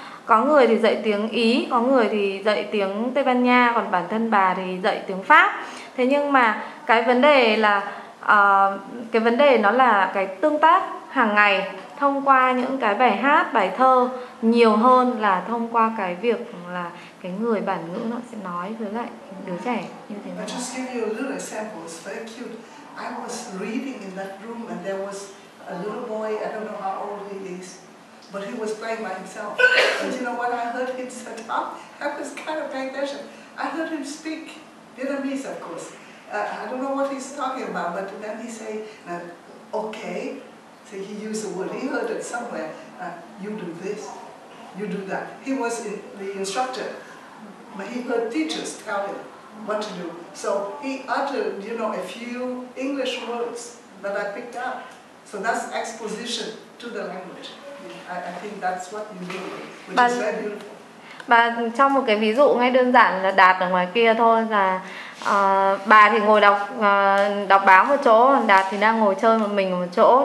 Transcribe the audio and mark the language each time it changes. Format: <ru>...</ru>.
<vi>Có người thì dạy tiếng Ý, có người thì dạy tiếng Tây Ban Nha, còn bản thân bà thì dạy tiếng Pháp. Thế nhưng mà cái vấn đề là cái vấn đề nó là cái tương tác hàng ngày thông qua những cái bài hát, bài thơ nhiều hơn là thông qua cái việc là cái người bản ngữ nó sẽ nói với lại đứa trẻ như thế nào.</vi> <en>I just give you a little example, it's very cute. I was reading in that room and there was a little boy, I don't know how old he is, but he was playing by himself. And you know what I heard him set up? I was kind of paying attention. I heard him speak Vietnamese, of course. I don't know what he's talking about, but then he say, okay. So he used a word, he heard it somewhere, you do this, you do that. He was the instructor, but he heard teachers tell him what to do. So he uttered, you know, a few English words that I picked up. So that's exposition to the language. I think that's what you do, which is very beautiful.</en> <vi>Bà cho một cái ví dụ ngay đơn giản là Đạt ở ngoài kia thôi, là bà thì ngồi đọc đọc báo một chỗ, Đạt thì đang ngồi chơi một mình một chỗ.</vi>